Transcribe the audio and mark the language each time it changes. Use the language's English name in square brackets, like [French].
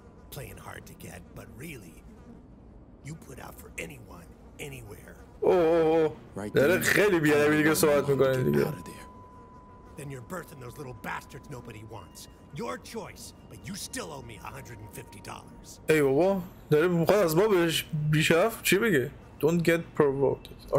[English] Playing hard to get, but really you put out for anyone anywhere. Oh. Right there. [Persian] داره خیلی بیادبی دیگه صحبت میکنه دیگه. [English] Then you're birthing those little bastards nobody wants. Your choice, but you still owe me $150. [Persian] ای بابا داره میخواد از ما بهش بیشرف چی بگه؟ [English] Don't get provoked.